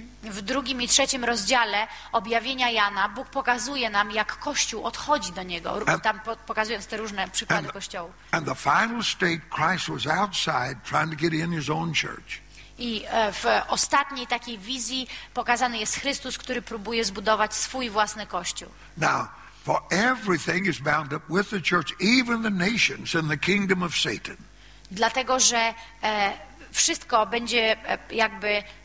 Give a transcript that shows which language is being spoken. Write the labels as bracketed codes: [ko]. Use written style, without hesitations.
[pl] W drugim i trzecim rozdziale Objawienia Jana Bóg pokazuje nam, jak Kościół odchodzi do niego, tam pokazując te różne przykłady Kościołu. [en] And the final state, Christ was outside trying to get in his own church. [pl] I w ostatniej takiej wizji pokazany jest Chrystus, który próbuje zbudować swój własny Kościół. [en] Now, for everything is bound up with the church, even the nations and the kingdom of Satan. [pl] Dlatego, że wszystko będzie jakby...